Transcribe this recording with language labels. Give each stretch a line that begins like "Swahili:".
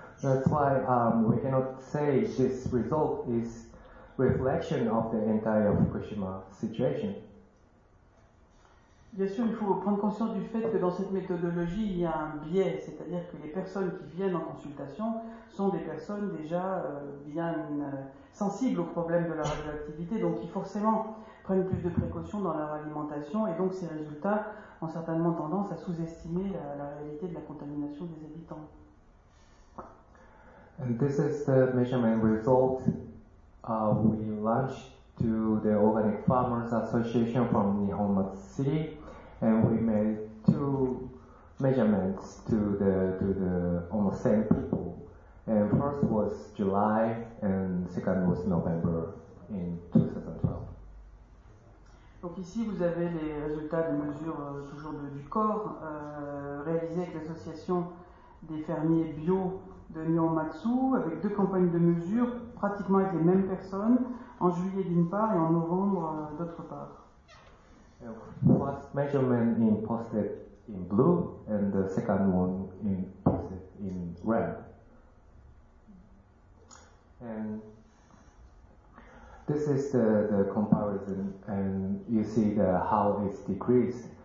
English: That's why we cannot say this result is reflection of the entire Fukushima situation.
French: Bien sûr, il faut prendre conscience du fait que dans cette méthodologie, il y a un biais, c'est-à-dire que les personnes qui viennent en consultation sont des personnes déjà bien sensibles au problème de la radioactivité, donc qui forcément prennent plus de précautions dans leur alimentation, et donc ces résultats ont certainement tendance à sous-estimer la réalité de la contamination des habitants.
English: And this is the measurement result we launched to the Organic Farmers Association from Nihonma City, and we made two measurements to the almost same people. And first was July, and second was November in 2012.
French: Donc ici vous avez les résultats de mesures toujours du corps réalisés avec l'association des fermiers bio de Nihonmatsu, avec deux campagnes de mesure pratiquement avec les mêmes personnes, en juillet d'une part et en novembre d'autre part.
English: First measurement in posted in blue and the second one in posted in red. And this is the comparison, and you see how it's decreased.